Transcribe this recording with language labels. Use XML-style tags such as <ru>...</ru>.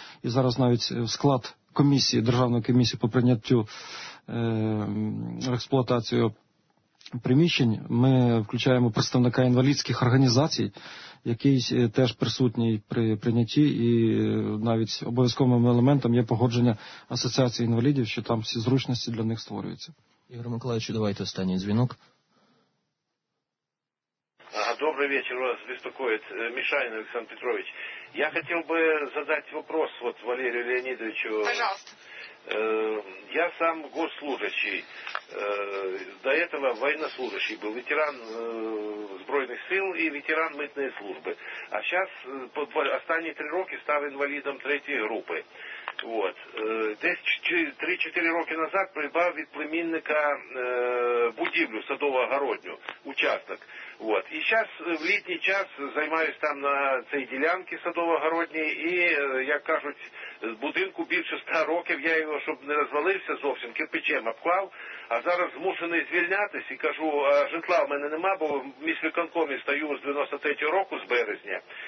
<uk>І зараз навіть склад комісії, державної комісії по прийняттю в експлуатацію приміщень, ми включаємо представника інвалідських організацій, який теж присутній при прийнятті, і навіть обов'язковим елементом є погодження асоціації інвалідів, що там всі зручності для них створюються. Ігор Миколаївич, давайте останній дзвінок. Добрий вечір, вас беспокоїть Мішайн Олександр Петрович. Я хотів би задати вопрос от Валерію Леонідовичу.</uk> <ru>Пожалуйста. Я сам госслужащий, до этого военнослужащий был, ветеран Збройных сил и ветеран мытной службы. А сейчас, последние 3 года, стал инвалидом 3-й группы. Вот.</ru> <uk>Десь 3-4 роки назад придбав від племінника будівлю садово-огородню, участок.</uk> <ru>Вот.</ru> <uk>І зараз в літній час займаюся там на цій ділянці садово-огородній, і, як кажуть, з будинку більше 100 років я його, щоб не розвалився зовсім, кирпичем обклав, а зараз змушений звільнятися і кажу, а житла в мене нема, бо в міськвиконкомі стою з 93-го року, з березня.</uk>